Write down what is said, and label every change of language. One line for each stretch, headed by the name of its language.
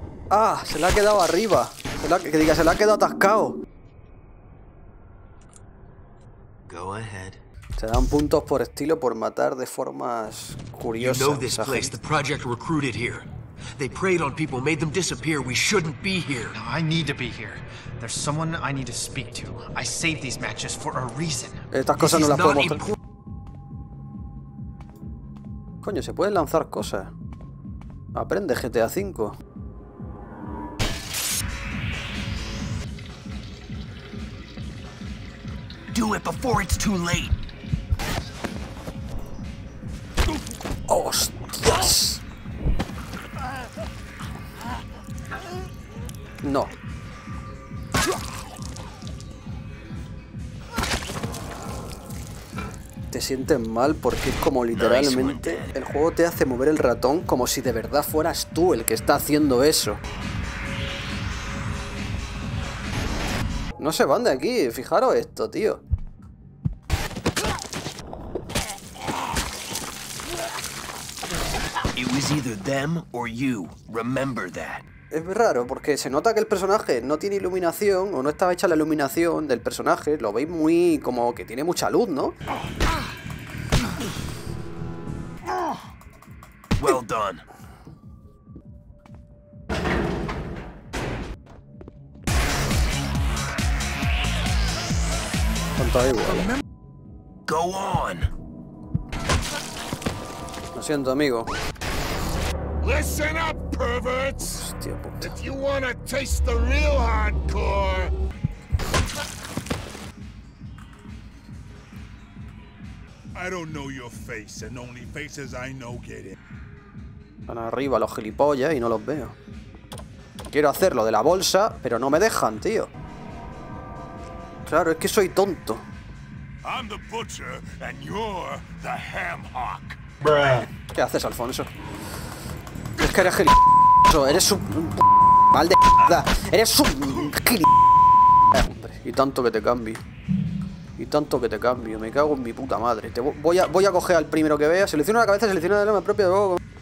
Spanish: Ah, se le ha quedado arriba. Se le ha quedado atascado.
English: Go ahead.
Spanish: Se dan puntos por estilo por matar de formas curiosas.
English: You know this place. The project recruited here. They preyed on people, made them disappear. We shouldn't be here. No, I need to be here. There's someone I need to speak to. I saved these matches for a reason.
Spanish: Estas cosas no las puedo mostrar. Coño, se pueden lanzar cosas. Aprende GTA 5.
English: Do it before it's too late.
Spanish: ¡Hostias! No. Te sientes mal porque es como literalmente el juego te hace mover el ratón como si de verdad fueras tú el que está haciendo eso. No se van de aquí, fijaros esto, tío.
English: It was either them or you. Remember that.
Spanish: Es raro porque se nota que el personaje no tiene iluminación o no estaba hecha la iluminación del personaje. Lo veis muy como que tiene mucha luz, ¿no?
English: Well done.
Spanish: Cuánto hay, igual.
English: Go on.
Spanish: Lo siento, amigo.
English: Listen up, perverts.
Spanish: Hostia, puta.
English: If you want to taste the real hardcore. I don't know your face, and only faces I know get it.
Spanish: Van arriba los gilipollas y no los veo. Quiero hacer lo de la bolsa, pero no me dejan, tío. Claro, es que soy tonto.
English: I'm the butcher and you're the ham hock.
Spanish: ¿Qué haces, Alfonso? Es que eres gilipollas, eres un mal de mierda. Eres un gilipollas. Y tanto que te cambio. Y tanto que te cambio. Me cago en mi puta madre. Te voy a coger al primero que vea. Selecciono la cabeza, selecciono el arma propia de luego.